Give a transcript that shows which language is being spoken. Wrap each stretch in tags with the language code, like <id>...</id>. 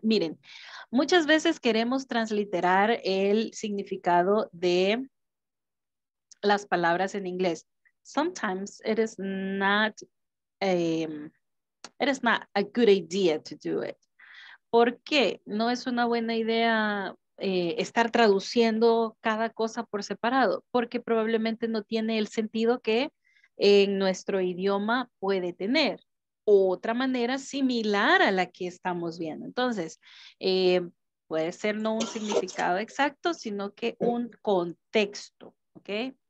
<es>Miren, muchas veces queremos transliterar el significado de las palabras en inglés.</es> <en>Sometimes it is not it is not a good idea to do it.</en> <es>¿Por qué? No es una buena idea estar traduciendo cada cosa por separado, porque probablemente no tiene el sentido que en nuestro idioma puede tener otra manera similar a la que estamos viendo. Entonces, puede ser no un significado exacto, sino que un contexto, ¿ok?</es>